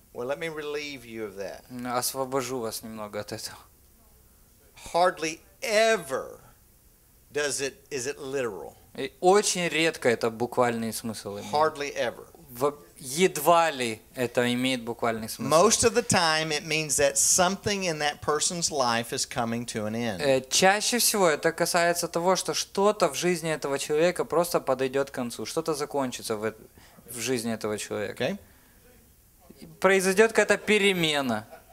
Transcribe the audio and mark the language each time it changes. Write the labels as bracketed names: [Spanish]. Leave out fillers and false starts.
[English] Well, let me relieve you of that. [Russian] Освобожу вас немного от этого. [English] Hardly ever does it. Is it literal? [Russian] Очень редко это буквальный смысл имеет. [English] Hardly ever. [Russian] Едва ли это имеет буквальный смысл. [English] Most of the time it means that something in that person's life is coming to an end. [Russian] Чаще всего это касается того, что что-то в жизни этого человека просто подойдет к концу, что-то закончится в жизни этого человека. [English] Okay. [Russian] Произойдет какая-то перемена.